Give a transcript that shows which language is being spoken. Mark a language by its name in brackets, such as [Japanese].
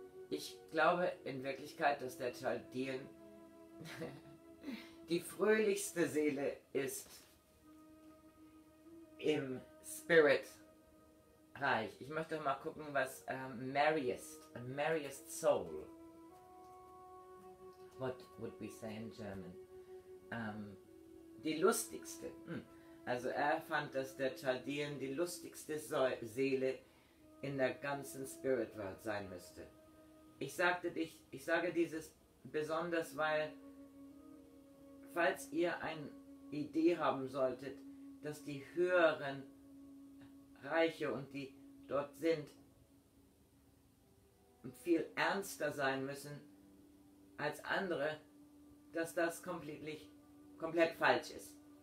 [German] Ich glaube in Wirklichkeit, dass der Chaldean die fröhlichste Seele ist im Spirit-Reich. Ich möchte mal gucken, was [English] merriest soul. What would we say in German? [German] Die lustigste. Also er fand, dass der Chaldean die lustigste Seele in der ganzen Spirit-Welt sein müsste. Ich sage dieses besonders, weil falls ihr eine Idee haben solltet, dass die höheren Reiche und die dort sind, viel ernster sein müssen als andere, dass das komplett falsch ist.